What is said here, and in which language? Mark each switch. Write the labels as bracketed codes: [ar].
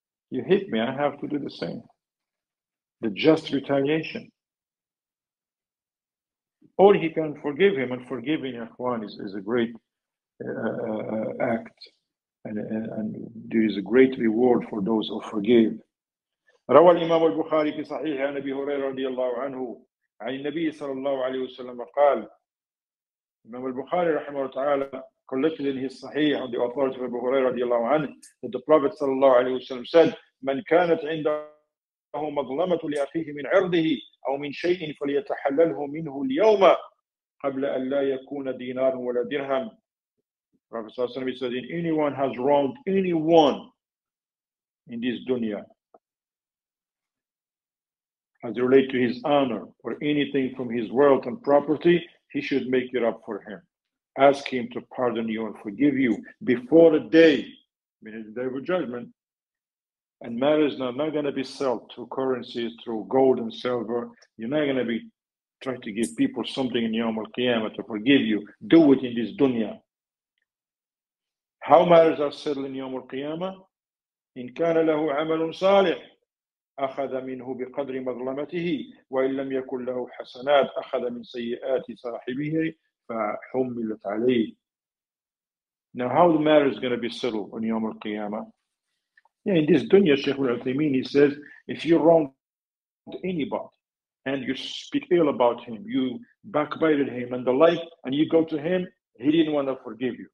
[en] You hit me, I have to do the same. The just retaliation. Or he can forgive him, and forgiving Ikhwan is a great act. And there is a great reward for those who forgive. [ar] رواه الإمام البخاري في صحيحه عن أبي هريرة رضي الله عنه عن النبي صلى الله عليه وسلم قال الإمام البخاري رحمه الله تعالى [en] collected in his [ar] صحيح [en] on the authority of [ar] أبي هريرة رضي الله عنه [en] that the Prophet [ar] صلى الله عليه وسلم said من كانت عنده مظلمة لأخيه من عرضه أو من شيء فليتحلله منه اليوم قبل أن لا يكون دينار ولا درهم. [en] Prophet Sallallahu Alaihi Wasallam said, anyone has wronged anyone in this dunya as it relates to his honor or anything from his wealth and property, he should make it up for him. Ask him to pardon you and forgive you before the day of judgment And matters are not going to be sold through currencies, through gold and silver. You're not going to be trying to give people something in Yom Al-Qiyamah to forgive you. Do it in this dunya. How matters are settled in Yom Al-Qiyamah? [ar] إن كان له عمل صالح أخذ منه بقدر مظلمته وإن لم يكن له حسنات أخذ من سيئات صاحبه فحملت عليه. [en] Now how the matter is going to be settled on Yom Al-Qiyamah? Yeah, in this dunya, Sheikh Al-Uthaymeen, he says, if you wronged anybody and you speak ill about him, you backbited him and the like, and you go to him, he didn't want to forgive you.